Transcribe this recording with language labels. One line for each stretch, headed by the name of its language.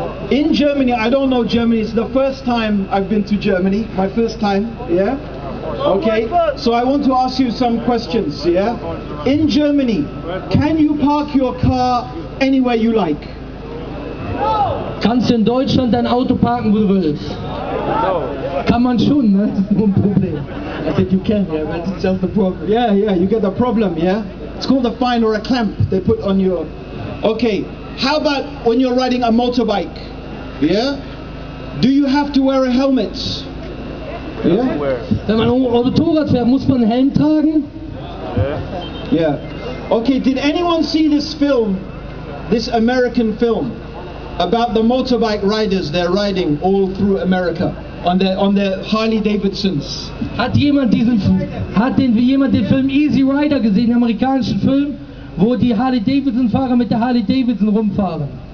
English: In Germany, I don't know Germany, it's the first time I've been to Germany, my first time, yeah? Okay, so I want to ask you some questions, yeah? In Germany, can you park your car anywhere you like?
German: Kannst du in Deutschland dein Auto parken, wo du willst?
English: No.
German: Kann man schon, ne? Das ist nur ein Problem.
English: I said you can, yeah, but it's just a problem. Yeah, yeah, you get the problem, yeah? It's called a fine or a clamp they put on your... Okay, how about when you're riding a motorbike? Yeah? Do you have to wear a helmet? Yeah?
German: Wenn man Motorrad fährt, muss man einen Helm tragen?
English: Yeah. Yeah. Okay, did anyone see this film, this American film? About the motorbike riders they're riding all through America on their Harley Davidsons.
German: Hat jemand diesen den Film Easy Rider gesehen, den amerikanischen Film, wo die Harley Davidson Fahrer mit der Harley Davidson rumfahren?